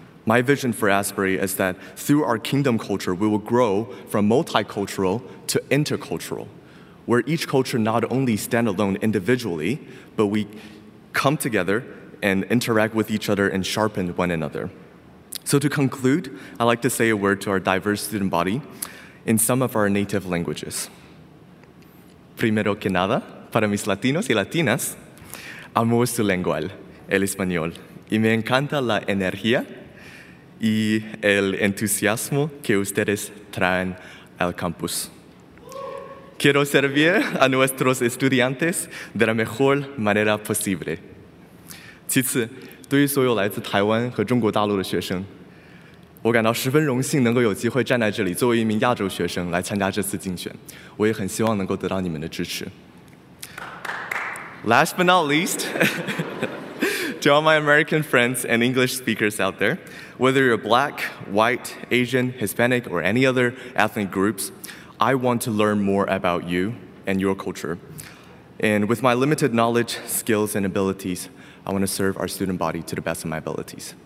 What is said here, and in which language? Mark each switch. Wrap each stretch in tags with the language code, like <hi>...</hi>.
<en>My vision for Asbury is that through our kingdom culture, we will grow from multicultural to intercultural, where each culture not only stand alone individually, but we come together and interact with each other and sharpen one another. So to conclude, I'd like to say a word to our diverse student body in some of our native languages.</en> <es>Primero que nada, para mis latinos y latinas, amo su lengua, el español, y me encanta la energía y el entusiasmo que ustedes traen al campus. Quiero servir a nuestros estudiantes de la mejor manera posible.</es> <zh>其次, 对于所有来自台湾和中国大陆的学生, 我感到十分荣幸能够有机会站在这里, 作为一名亚洲学生, 来参加这次竞选, 我也很希望能够得到你们的支持。</zh> <en>Last but not least, to all my American friends and English speakers out there, whether you're Black, White, Asian, Hispanic, or any other ethnic groups, I want to learn more about you and your culture. And with my limited knowledge, skills, and abilities, I want to serve our student body to the best of my abilities.</en>